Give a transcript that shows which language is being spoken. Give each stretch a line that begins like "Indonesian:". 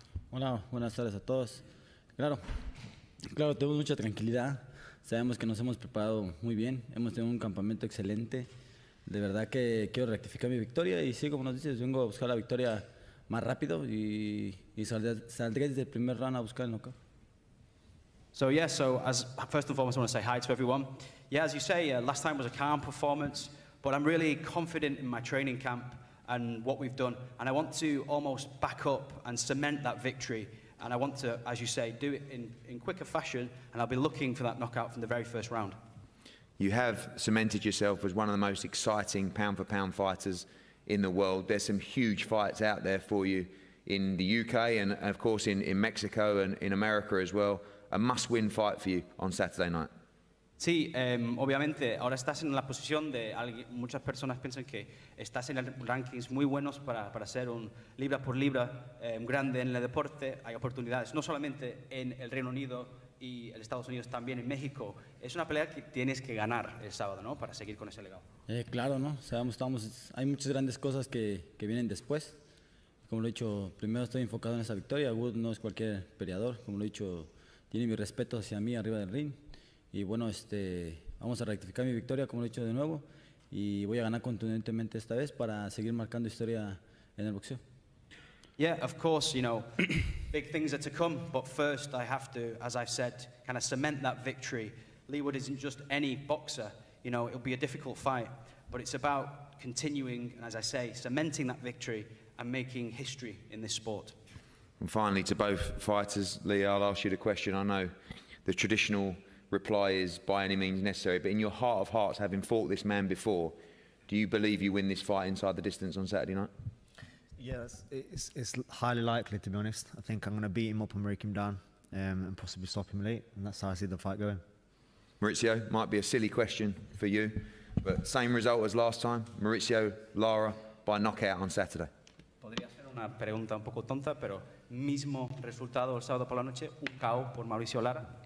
Spanish: Hola, buenas tardes a todos. Claro, tenemos mucha tranquilidad. Sabemos que nos hemos preparado muy bien. Hemos tenido un campamento excelente. De verdad que quiero rectificar mi victoria. Y sí, como nos dices, vengo a buscar la victoria más rápido. Y saldré desde el primer round a buscar el knockout.
English: So, yeah, so as first and foremost, I want to say hi to everyone. Yeah, as you say, last time was a calm performance. But I'm really confident in my training camp and what we've done. And I want to almost back up and cement that victory. And I want to, as you say, do it in quicker fashion, and I'll be looking for that knockout from the very first round. You have cemented yourself as one of the most exciting pound-for-pound fighters in the world. There's some huge fights out there for you in the UK and, of course, in Mexico and in America as well. A must-win fight for you on Saturday night.
Spanish: Sí, obviamente, ahora estás en la posición de alguien, muchas personas piensan que estás en rankings muy buenos para ser un libra por libra grande en el deporte. Hay oportunidades, no solamente en el Reino Unido y el Estados Unidos, también en México. Es una pelea que tienes que ganar el sábado, ¿no?, para seguir con ese legado. Claro, ¿no? Sabemos, hay muchas grandes cosas que vienen después. Como lo he dicho, primero estoy enfocado en esa victoria. Wood no es cualquier peleador. Como lo he dicho, tiene mi respeto hacia mí arriba del ring. Y bueno, vamos a rectificar mi victoria, como lo he dicho de nuevo, y voy a ganar contundentemente esta vez para seguir marcando historia en el boxeo.
English: Yeah, of course, you know, big things are to come, but first I have to, as I've said, kind of cement that victory. Leigh isn't just any boxer, you know, it'll be a difficult fight, but it's about continuing, and as I say, cementing that victory and making history in this sport. And finally, to both fighters, Leigh, I'll ask you the question. I know the traditional reply is by any means necessary, but in your heart of hearts, having fought this man before, do you believe you win this fight inside the distance on Saturday night? Yes, it's highly likely, to be honest. I think I'm going to beat him up and break him down and possibly stop him late, and that's how I see the fight going. Mauricio, might be a silly question for you, but same result as last time. Mauricio Lara by knockout on Saturday.
Spanish: Podría ser una pregunta un poco tonta, pero mismo resultado el sábado por la noche, un KO por Mauricio Lara.